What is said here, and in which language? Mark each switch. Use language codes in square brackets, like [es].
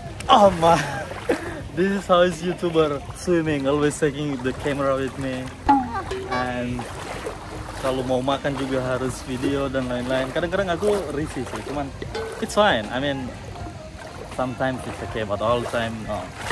[en] Oh my, this is how is YouTuber swimming, always taking the camera with me. [id] And kalau mau makan juga harus video dan lain-lain. Kadang-kadang aku risih sih, cuman [en] it's fine. I mean, sometimes it's okay, but all the time, no.